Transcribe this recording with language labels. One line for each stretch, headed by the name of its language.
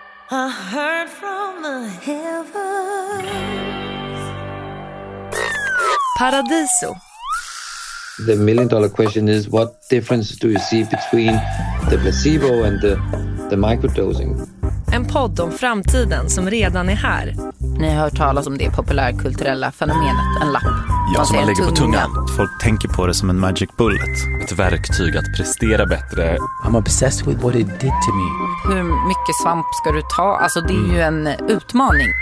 English: I heard from the heavens. Paradiso. The million dollar question is, what difference do you see between the placebo and the microdosing?
Swedish: En podd om framtiden som redan är här. Ni har hört talas om det populärkulturella fenomenet, en lapp. Ja, som man lägger på tungan. Folk tänker på det som en magic bullet. Ett verktyg att prestera bättre.
English: I'm obsessed with what it did to me.
Swedish: Hur mycket svamp ska du ta? Alltså, det är ju en utmaning.